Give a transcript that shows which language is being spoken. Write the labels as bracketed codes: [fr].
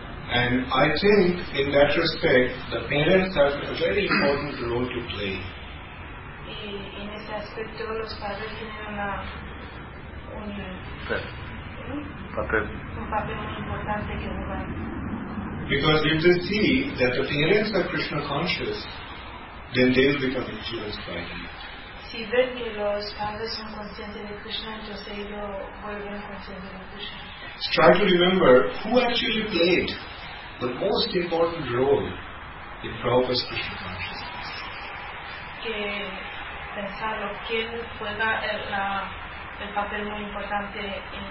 [en] And I think in that respect the parents have a very important role to play. [es] Y en ese aspecto los padres tienen un papel muy importante que jugar. [en] Because if they see that the parents are Krishna conscious, then they will become influenced by that. [es] si ven que los padres son conscientes de Krishna, entonces ellos vuelven conscientes de Krishna. [en] Try to remember who actually played the most important role in Prabhupada's Krishna consciousness. [es] Que pensarlo, quién juega el papel muy importante